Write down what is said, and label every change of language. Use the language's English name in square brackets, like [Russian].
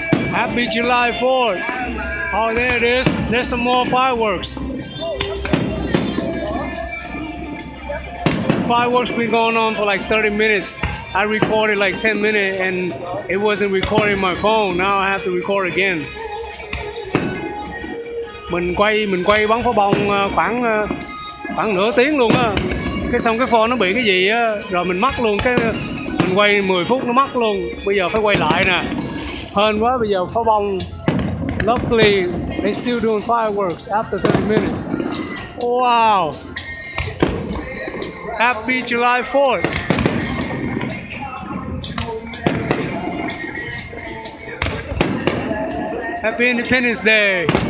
[English] Happy July 4th. Oh, there it is. There's some more fireworks. Fireworks been going on for like 30 minutes. I recorded like 10 minutes and it wasn't recording my phone. Now I have to record again. [Vietnamese] Mình quay bắn pháo bông khoảng nửa tiếng luôn á. Cái xong cái phone nó bị cái gì á, rồi mình mất luôn cái mình quay 10 phút nó mất luôn. Bây giờ phải quay lại nè. Hên quá bây giờ pháo bông. [English] Luckily they still doing fireworks after 30 minutes. Wow. Happy July 4th. Happy Independence Day!